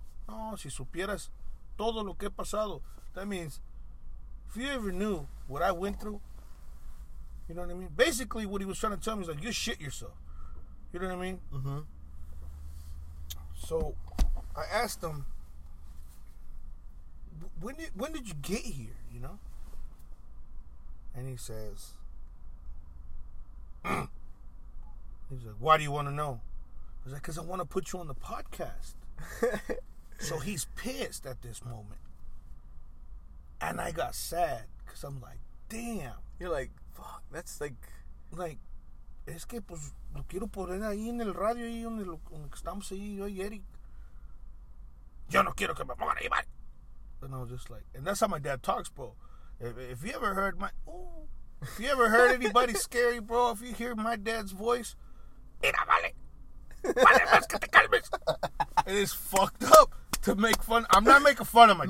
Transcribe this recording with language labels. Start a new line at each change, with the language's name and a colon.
Spanish: No, si supieras todo lo que he pasado.
English: That means, if you ever knew what I went through, you know what I mean? Basically, what he was trying to tell me is like, you shit yourself. You know what I mean? Mm-hmm. So, I asked him, when did you get here, you know? And he says, he's like, why do you want to know? I was like, because I want to put you on the podcast. So he's pissed at this moment. And I got sad because I'm like, damn. You're like, fuck, that's like.
Spanish: Like, es que pues lo quiero poner ahí en el radio ahí donde estamos ahí yo y Eric. Yo no quiero que me pongan ahí, vale.
English: And I was just like, and that's how my dad talks, bro. If you ever heard my, ooh, if you ever heard anybody scary, bro, if you hear my dad's voice,
Spanish: mira, vale. Vale, más que te calmes.
English: It is fucked up to make fun. I'm not making fun of my dad.